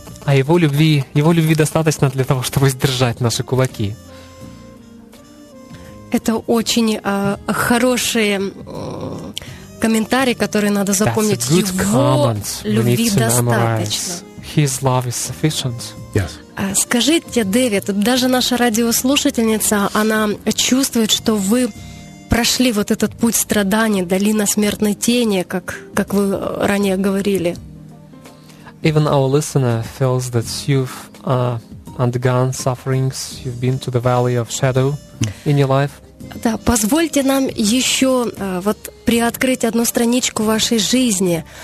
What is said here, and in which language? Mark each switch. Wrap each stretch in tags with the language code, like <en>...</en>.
<ru>А его любви достаточно для того, чтобы сдержать наши кулаки. Это очень хороший комментарий, который надо запомнить. Его любви достаточно.</ru> <en>His love is sufficient. Yes.</en> <ru>Скажите, Дэвид, даже наша радиослушательница, она чувствует, что вы прошли вот этот путь страданий, долина смертной тени, как вы ранее говорили.</ru> <en>Even our listener feels that you've undergone sufferings, you've been to the valley of shadow in your life.</en> <ru>Да, позвольте нам еще вот приоткрыть одну страничку вашей жизни.</ru>